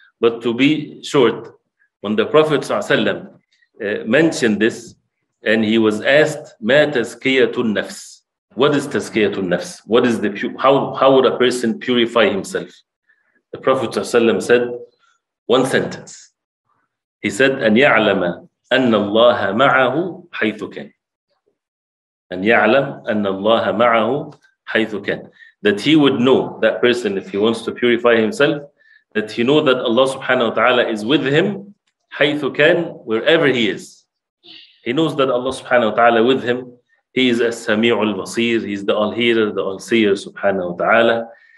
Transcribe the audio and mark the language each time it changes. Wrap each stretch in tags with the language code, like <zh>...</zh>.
<en>But to be short, when the Prophet ﷺ mentioned this, and he was asked,</en> <ar>مَا تَزْكِيَةُ النَّفْسِ,</ar> <en>what is</en> <ar>تَزْكِيَةُ النَّفْسِ,</ar> <en>what is the how would a person purify himself? The Prophet ﷺ said one sentence. He said,</en> <ar>أَنْ يَعْلَمَ أَنَّ اللَّهَ مَعَهُ حَيْثُ كَانَ. أَنْ يَعْلَمْ أَنَّ اللَّهَ مَعَهُ حَيْثُ كَانْ,</ar> <en>that he would know, that person, if he wants to purify himself, that he know that Allah subhanahu wa ta'ala is with him,</en> <ar>حَيْثُ كَانْ,</ar> <en>wherever he is. He knows that Allah subhanahu wa ta'ala with him, he is</en> <ar>السميع البصير,</ar> <en>he is the all-hearer, the all-seer subhanahu wa ta'ala.</en>